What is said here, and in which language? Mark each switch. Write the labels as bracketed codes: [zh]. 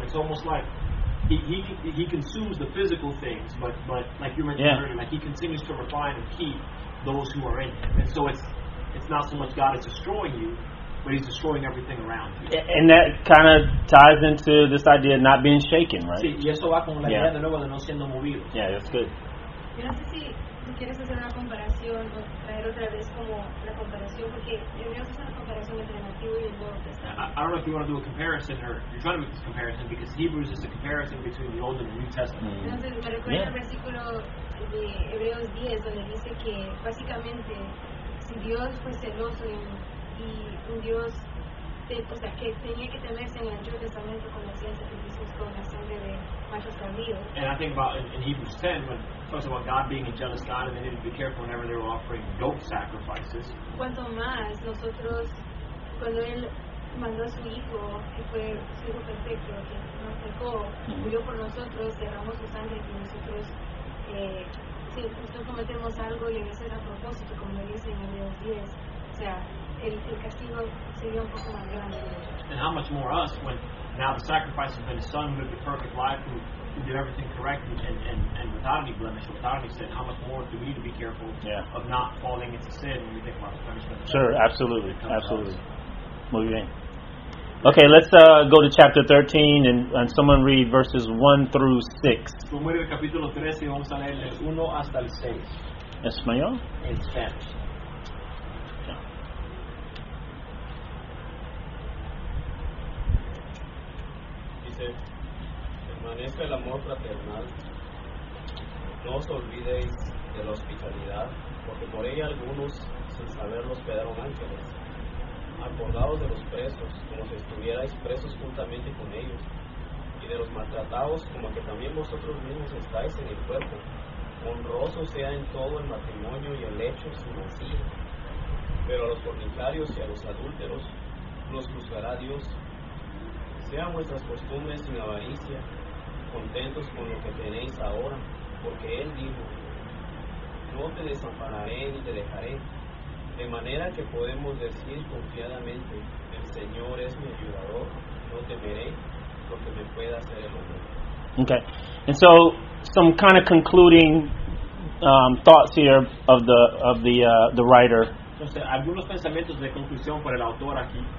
[en] And it's almost like he consumes the physical things, but like you mentioned yeah. earlier, like he continues to refine and keep those who are in him. And so it's not so much God is destroying you, but he's destroying everything around you. And that kind of ties into this idea of not being shaken, right? [es] Sí, y eso va con la idea de nuevo de no siendo movidos. [en] Yeah, that's good. [es] Yo no sé si tú quieres hacer una comparación o traer otra vez como la comparación, porque yo creo que es una comparación entre el Antiguo y el Nuevo Testamento. [en] I don't know if you want to do a comparison or you're trying to make this comparison because Hebrews is a comparison between the Old and the New Testament. [es] Entonces, me recuerda el versículo de Hebreos 10 donde dice que básicamente si Dios fue celoso y un Dios que tenía que temerse en el Antiguo Testamento con las sacrificios con la sangre de machos cabríos. [en] And I think about in Hebrews 10 when talks about God being a jealous God, and they need to be careful whenever they were offering goat sacrifices. [es] Cuanto más nosotros, cuando él mandó a su hijo, que fue su hijo perfecto, que nos pecó, murió por nosotros, derramó su sangre, que nosotros, si nosotros cometemos algo y a veces a propósito, como le dice en Hebreos 10, o sea, el castigo sería un poco más grande. [en] And how much more us, when now the sacrifice has been his son, lived a perfect life, who did everything correctly and without any blemish, without any sin, how much more do we need to be careful of not falling into sin when we think about the punishment? Sure, absolutely, absolutely. Moving in. Okay, let's go to chapter 13 and someone read verses 1 through 6. [es] Número del capítulo 13, vamos a leer del 1 hasta el 6. ¿Español? En Spanish. Permanece el amor fraternal. No os olvidéis de la hospitalidad, porque por ella algunos, sin saberlo, hospedaron ángeles. Acordaos de los presos, como si estuvierais presos juntamente con ellos, y de los maltratados, como que también vosotros mismos estáis en el cuerpo. Honroso sea en todo el matrimonio y el lecho su nacido. Pero a los fornicarios y a los adúlteros los juzgará Dios. Sean vuestras costumbres sin avaricia, contentos con lo que tenéis ahora, porque Él dijo: no te desampararé ni te dejaré. De manera que podemos decir confiadamente: el Señor es mi ayudador, no temeré lo que me pueda hacer el hombre. [en] Okay, and so some kind of concluding thoughts here of the writer. [es] Entonces, algunos pensamientos de conclusión por el autor aquí.